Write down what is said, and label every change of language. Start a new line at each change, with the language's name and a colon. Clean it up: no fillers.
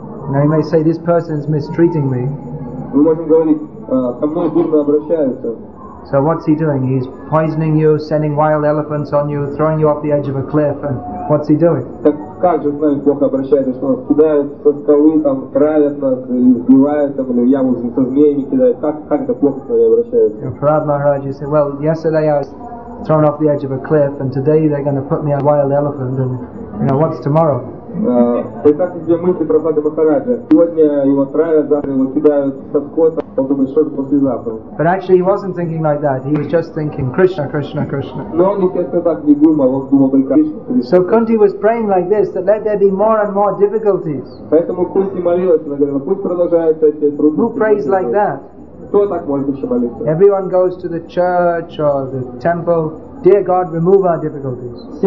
English: Now you may say, this person is mistreating me. So what's he doing? He's poisoning you, sending wild elephants on you, throwing you off the edge of a cliff, and what's he doing?
Russian: Как же с нами плохо обращается, что нас кидают со скалы, там травят нас, избивают, там, или в яму со змеями кидают. Как это плохо с нами обращается?
English: And Prahlad Maharaj, you say, well, yesterday I was thrown off the edge of a cliff, and today they're going to put me on a wild elephant, and, you know, what's tomorrow?
Russian: Представьте себе мысли Прахлада Махараджа. Сегодня его травят, завтра его кидают со скота, он думает, что же послезавтра.
English: But actually he wasn't thinking like that. He was just thinking Krishna, Krishna, Krishna.
Russian: Но он, естественно, так не думал, он думал только Кришна, Кришна.
English: So Kunti was praying like this, that let there be more and more difficulties.
Russian: Поэтому Кунти молилась, она говорила, пусть продолжаются эти трудности.
English: Who prays like that?
Russian: Кто так может еще молиться?
English: Everyone goes to the church or the temple. Dear God, remove our difficulties.